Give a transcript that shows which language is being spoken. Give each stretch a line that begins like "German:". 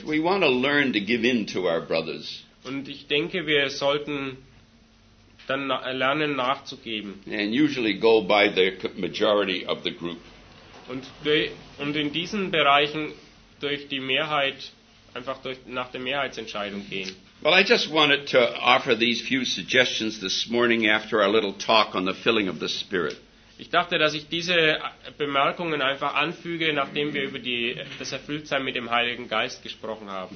English: We want to learn to give in to our brothers.
German: Und ich denke, wir sollten dann lernen, nachzugeben.
English: And usually go by the majority of the group.
German: Und in diesen Bereichen durch die Mehrheit, einfach durch, nach der Mehrheitsentscheidung gehen.
English: Well, I just wanted to offer these few suggestions this morning after our little talk on the filling of the Spirit.
German: Ich dachte, dass ich diese Bemerkungen einfach anfüge, nachdem wir über das Erfülltsein mit dem Heiligen Geist gesprochen haben.